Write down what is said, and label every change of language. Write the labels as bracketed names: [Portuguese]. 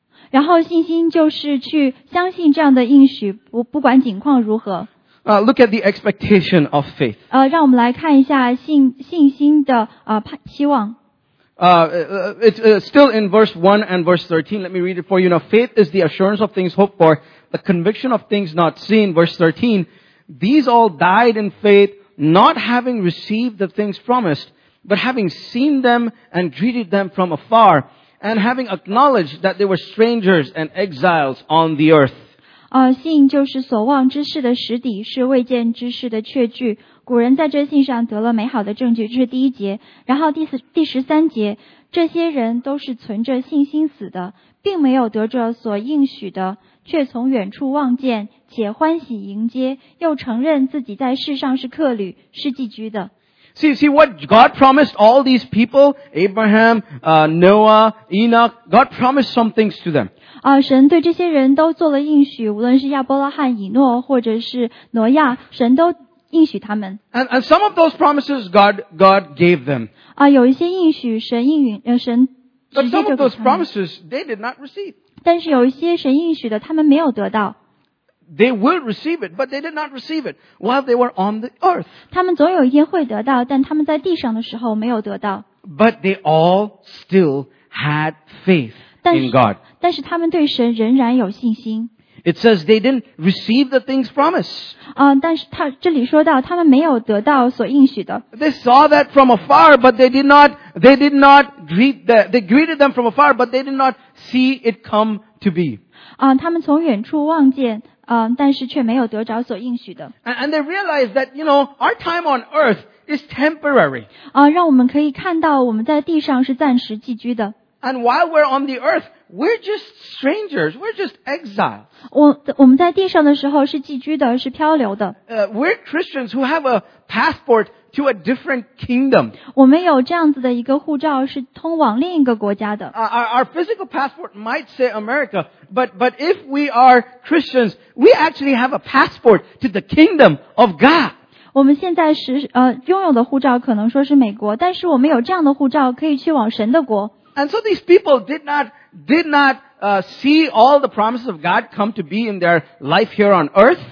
[Chinese] 然后信心就是去相信这样的应许不管情况如何。 [English] Look at the expectation of faith. [Chinese] 让我们来看一下信心的期望。 [English] It's still in verse 1 and verse 13. Let me read it for you. Now, faith is the assurance of things hoped for, the conviction of things not seen. Verse 13, these all died in faith, not having received the things promised, but having seen them and greeted them from afar, and having acknowledged that they were strangers and exiles on the earth. [Chinese] 信就是所望之事的实底，是未见之事的确据。古人在这信上得了美好的证据，这是第一节。然后第十三节，这些人都是存着信心死的，并没有得着所应许的，却从远处望见，且欢喜迎接，又承认自己在世上是客旅，是寄居的。 [English] See what God promised all these people, Abraham, Noah, Enoch, God promised some things to them. [Chinese] 神对这些人都做了应许，无论是亚伯拉罕、以诺或者是挪亚，神都应许他们。 [English] And some of those promises God gave them. [Chinese] 有一些应许神应允，神直接就给他们。 [English] But some of those promises they did not receive. [Chinese] 但是有一些神应许的他们没有得到。 [English] They will receive it, but they did not receive it while they were on the earth. [Chinese] 他们总有一天会得到，但他们在地上的时候没有得到。 [English] But they all still had faith in God. [Chinese] 但是他们对神仍然有信心。 [English] It says they didn't receive the things promised. [Chinese] 但是他这里说到他们没有得到所应许的。 [English] They saw that from afar, but they greeted them from afar, but they did not see it come to be. [Chinese] 他们从远处望见。但是却没有得着所应许的。 [English] And they realize that, you know, our time on earth is temporary. [Chinese] 让我们可以看到我们在地上是暂时寄居的。 [English] And while we're on the earth, we're just strangers, we're just exiles. [Chinese] 我们在地上的时候是寄居的，是漂流的。 [English] We're Christians who have a passport to a different kingdom. [Chinese] 我们有这样子的一个护照是通往另一个国家的。 [English] Our physical passport might say America, but if we are Christians, we actually have a passport to the kingdom of God. [Chinese] 我们现在是拥有的护照可能说是美国，但是我们有这样的护照可以去往神的国。 [English] And so these people did not see all the promises of God come to be in their life here on earth.